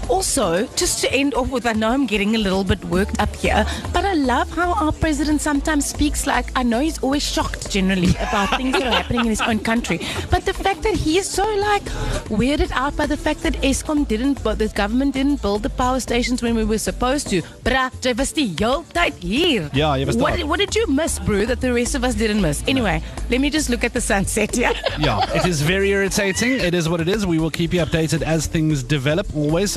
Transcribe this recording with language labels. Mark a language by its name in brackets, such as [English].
[English] Also, just to end off with, I know I'm getting a little bit worked up here, but I love how our president sometimes speaks like, I know he's always shocked generally about things that are happening in his own country, but the fact that he is so like weirded out by the fact that Eskom didn't, but the government didn't build the power stations when we were supposed to. [Afrikaans] Bruh, jy was die heel tyd hier. Yeah, jy was daar. [English] What did you miss, bro, that the rest of us didn't miss. Anyway, let me just look at the sunset, yeah? Yeah, it is very irritating. It is what it is. We will keep you updated as things develop, always.